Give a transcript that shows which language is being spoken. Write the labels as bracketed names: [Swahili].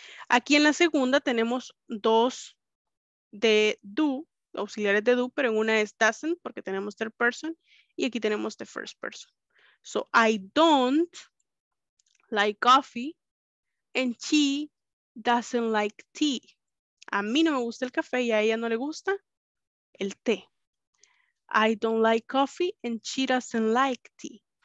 [Spanish] Aquí en la segunda tenemos dos de do, auxiliares de do, pero en una es doesn't porque tenemos third person y aquí tenemos the first person. [English] So I don't like coffee and she doesn't like tea. [Spanish] A mí no me gusta el café y a ella no le gusta el té. [English] I don't like coffee and she doesn't like tea.